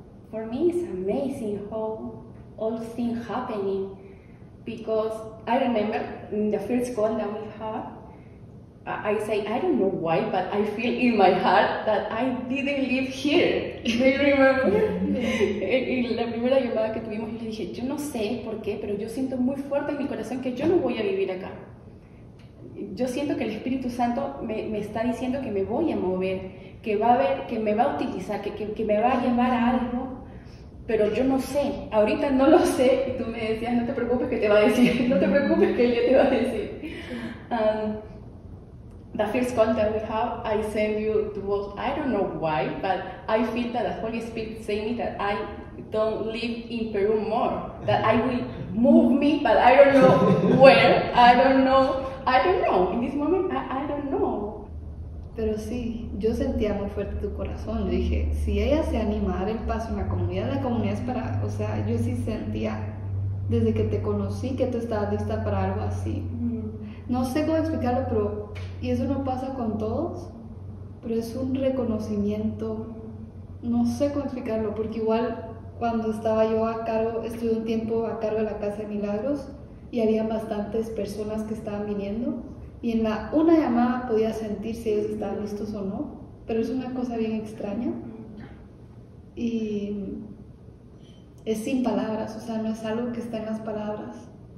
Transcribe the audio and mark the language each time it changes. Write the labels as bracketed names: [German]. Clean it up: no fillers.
[English] For me, it's amazing how all things happening, because I remember in the first call that we had, I say, I don't know why, but I feel in my heart that I didn't live here. Do you remember? [Spanish] En la primera llamada que tuvimos, yo le dije, yo no sé por qué, pero yo siento muy fuerte en mi corazón que yo no voy a vivir acá. Yo siento que el Espíritu Santo me está diciendo que me voy a mover, que va a ver, que me va a utilizar, que me va a llevar a algo, pero yo no sé. Ahorita no lo sé. Y tú me decías, no te preocupes que te va a decir. No te preocupes que yo te va a decir. [English] The first call that we have, I send you to both. I don't know why, but I feel that the Holy Spirit saying me that I don't live in Peru more. That I will move me, but I don't know where. I don't know. In this moment, I don't know. [Spanish] Pero sí, yo sentía muy fuerte tu corazón. Yo dije, si ella se anima a dar el paso en la comunidad es para. O sea, yo sí sentía desde que te conocí que tú estabas lista para algo así. No sé cómo explicarlo, pero, y eso no pasa con todos, pero es un reconocimiento, no sé cómo explicarlo, porque igual cuando estaba yo a cargo, estuve un tiempo a cargo de la Casa de Milagros, y había bastantes personas que estaban viniendo, y en una llamada podía sentir si ellos estaban listos o no, pero es una cosa bien extraña, y es sin palabras, o sea, no es algo que está en las palabras.